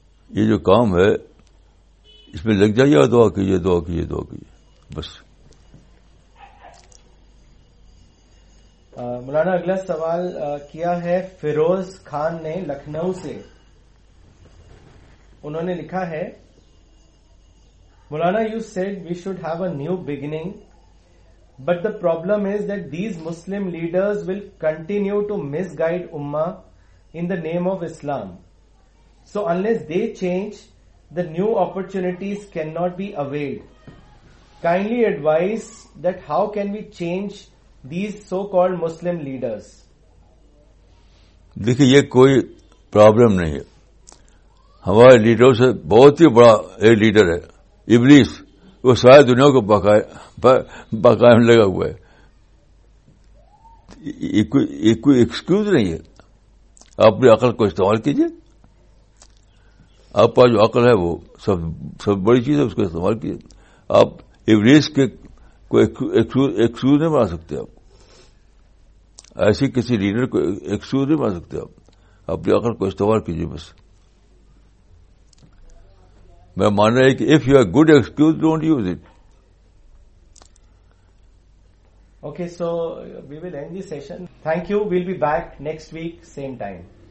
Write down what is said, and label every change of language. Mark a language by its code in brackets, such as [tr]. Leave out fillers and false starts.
[ur] یہ جو کام ہے اس میں لگ جائیے اور دعا کیجیے, دعا کیجیے, دعا کیجیے, بس. مولانا, اگلا سوال کیا ہے فیروز خان نے لکھنؤ سے. انہوں نے لکھا ہے, [en] Maulana you said we should have a new beginning, but the problem is that these Muslim leaders will continue to misguide Ummah in the name of Islam. So unless they change, the new opportunities cannot be availed. Kindly advise that how can we change these so-called Muslim leaders. [ur] دیکھیے یہ کوئی problem نہیں ہے, ہمارے لیڈروں سے بہت ہی بڑا ایک لیڈر ہے ابلیس, وہ ساری دنیا کو بقائم لگا ہوا ہے, یہ کوئی ایکسکیوز نہیں ہے. آپ اپنی عقل کو استعمال کیجیے, آپ کا جو عقل ہے وہ سب بڑی چیز ہے, اس کو استعمال کیجیے. آپ ابلیس کے کوئی ایکسکیوز نہیں بنا سکتے, آپ ایسی کسی لیڈر کو ایکسکیوز نہیں بنا سکتے. آپ اپنی عقل کو استعمال کیجیے بس. میں مان رہا ہوں کہ [en] If you have good excuse don't use it. Okay, so we will end the session. Thank you. We'll be back next week, same time.